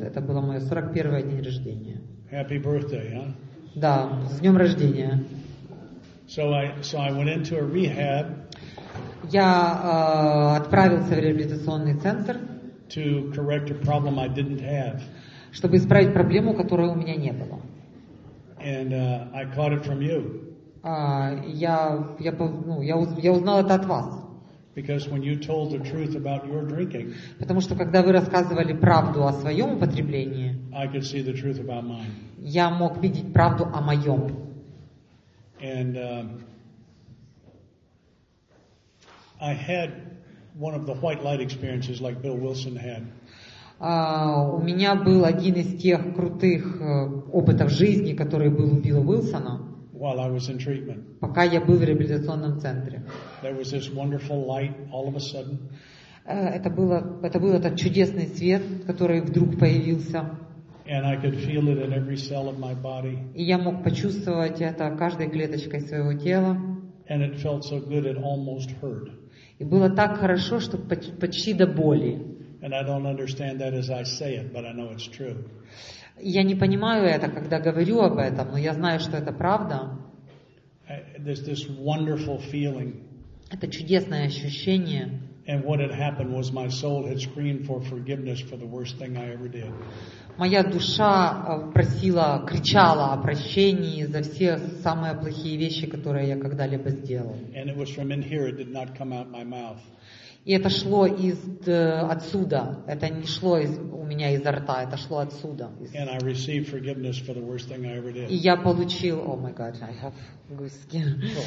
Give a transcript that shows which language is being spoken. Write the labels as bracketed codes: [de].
[ru] Это было мое 41-е день рождения. [en] Happy birthday, huh? [ru] Да, с днем рождения. [en] So I went into a rehab. [ru] Я отправился в реабилитационный центр. [en] To correct a problem I didn't have. [ru] Чтобы исправить проблему, которой у меня не было. [en] And I caught it from you. [ru] Я узнал это от вас. [en] Because when you told the truth about your drinking. [ru] Потому что когда вы рассказывали правду о своем употреблении. [en] I could see the truth about mine. [ru] Я мог видеть правду о моем. [en] And I had one of the white light experiences like Bill Wilson had. [ru] У меня был один из тех крутых опытов жизни, который был у Билла Уилсона. [en] While I was in treatment. [ru] Пока я был в реабилитационном центре. [en] There was this wonderful light all of a sudden. [ru] Это был этот чудесный свет, который вдруг появился. [en] And I could feel it in every cell of my body. [ru] И я мог почувствовать это каждой клеточкой своего тела. [en] And it felt so good it almost hurt. [ru] И было так хорошо, что почти до боли. [en] And I don't understand that as I say it, but I know it's true. [ru] Я не понимаю это, когда говорю об этом, но я знаю, что это правда. [en] There's this wonderful feeling. [ru] Это чудесное ощущение. [en] And what had happened was my soul had screamed for forgiveness for the worst thing I ever did. [ru] Моя душа просила, кричала о прощении за все самые плохие вещи, которые я когда-либо сделал. [en] And it was from in here, it did not come out my mouth. [ru] И это шло из отсюда. Это не шло у меня изо рта. Это шло отсюда. [en] And I received forgiveness for the worst thing I ever did. [ru] И я получил. [en] Oh my God, I have goose skin.